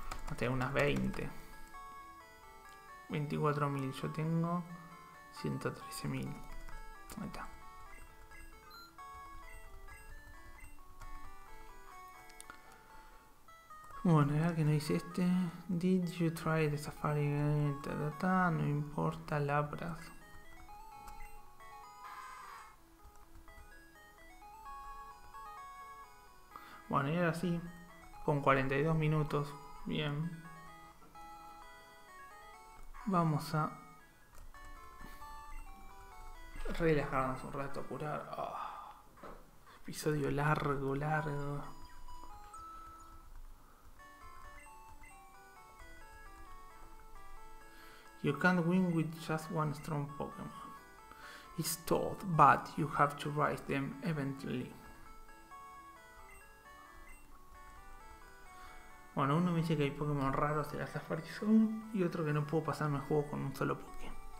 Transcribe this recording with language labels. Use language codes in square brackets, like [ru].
[es] Hasta unas 20. 24.000 yo tengo. 113.000. Ahí está. Bueno, ya que no hice este. [en] Did you try the Safari Game? [es] No importa, Lapras. Bueno, y ahora sí, con 42 minutos, bien. Vamos a relajarnos un rato, apurar. Oh, episodio largo, largo. [en] You can't win with just one strong Pokémon. It's taught, but you have to rise them eventually. [es] Bueno, uno me dice que hay Pokémon raros en la Safari Zone y otro que no puedo pasarme el juego con un solo Poké.